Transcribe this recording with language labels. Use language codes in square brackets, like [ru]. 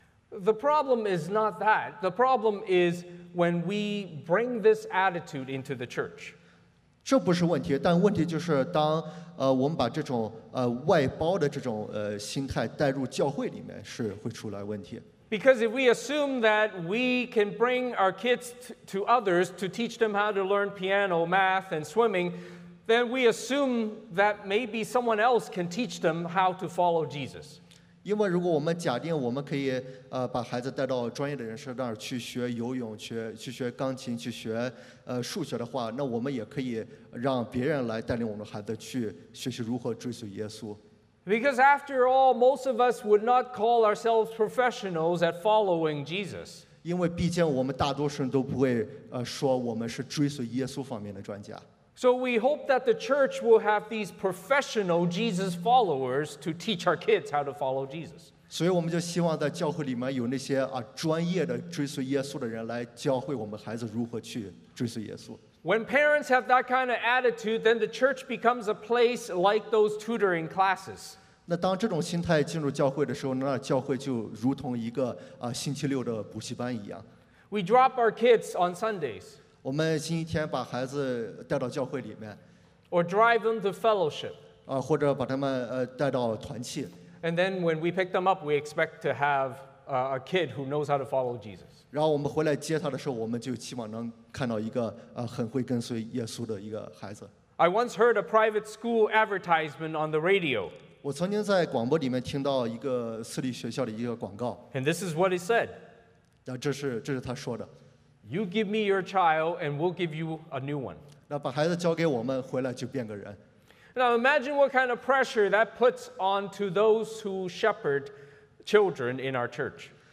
[en] The problem is not that. The problem is when we bring this attitude into the church. [zh] 这不是问题，但问题就是当我们把这种外包的这种心态带入教会里面，是会出来问题。 [en] Because if we assume that we can bring our kids to others to teach them how to learn piano, math, and swimming, then we assume that maybe someone else can teach them how to follow Jesus. [zh] 因为如果我们假定我们可以把孩子带到专业的人士那儿去学游泳、去学钢琴、去学。数学的话，那我们也可以让别人来带领我们孩子去学习如何追随耶稣。 [en] Because after all, most of us would not call ourselves professionals at following Jesus. [zh] 因为毕竟我们大多数人都不会说我们是追随耶稣方面的专家。 [en] So we hope that the church will have these professional Jesus followers to teach our kids how to follow Jesus. [zh] 所以我们就希望在教会里面有那些专业的追随耶稣的人来教会我们孩子如何去。 [en] When parents have that kind of attitude, then the church becomes a place like those tutoring classes. [zh] 那当这种心态进入教会的时候，那教会就如同一个星期六的补习班一样。 [en] We drop our kids on Sundays. [zh] 我们星期天把孩子带到教会里面。 [en] Or drive them to fellowship. [zh] 或者把他们带到团契。 [en] And then when we pick them up, we expect to have a kid who knows how to follow Jesus. [zh] 然后我们回来接他的时候，我们就期望能。看到一个很会跟随耶稣的一个孩子。 [en] I once heard a private school advertisement on the radio. [zh] 我曾经在广播里面听到一个私立学校的一个广告。 [en] And this is what he said. [zh] 那这是他说的。 [en] You give me your child, and we'll give you a new one. [zh] 那把孩子交给我们，回来就变个人。 [en] Now imagine what kind of pressure that puts onto those who shepherd children in our church.